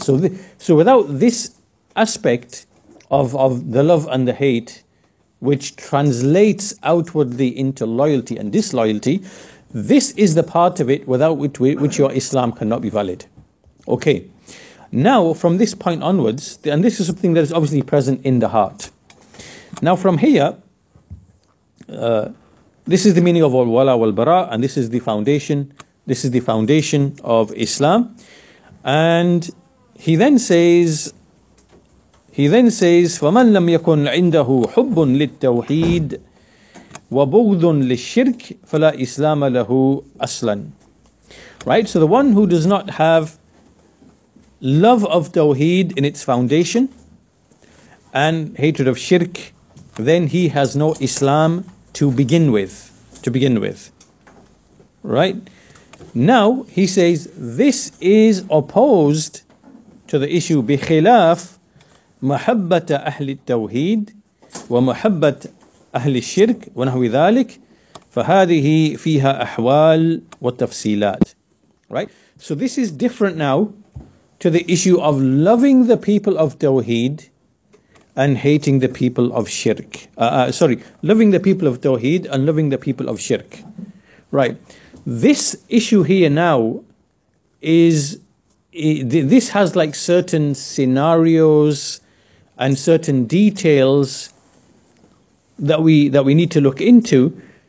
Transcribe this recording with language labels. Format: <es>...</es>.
<en>So without this aspect of the love and the hate, which translates outwardly into loyalty and disloyalty, this is the part of it without which your Islam cannot be valid. Okay. Now, from this point onwards, and this is something that is obviously present in the heart. Now, from here, this is the meaning of al-wala wal-bara, and this is the foundation. This is the foundation of Islam. And he then says,</en> <ar>فَمَنْ لَمْ يَكُنْ عِنْدَهُ حُبٌّ لِلْتَوْحِيدِ وَبُغْضٌ لِلْشِرْكِ فَلَا إِسْلَامَ لَهُ أَصْلًا.</ar> <en>Right? So the one who does not have love of Tawheed in its foundation and hatred of Shirk, then he has no Islam to begin with. Right? Now, he says, this is opposed to the issue</en> <ar>بخلاف محبت أهل التوحيد ومحبت أهل الشرك ونحو ذلك فهذه فيها أحوال وتفصيلات.</ar> <en>Right? So this is different now to the issue of loving the people of Tawheed and hating the people of Shirk. Loving the people of Tawheed and loving the people of Shirk. Right. This issue here now is, this has like certain scenarios and certain details that we need to look into.</en>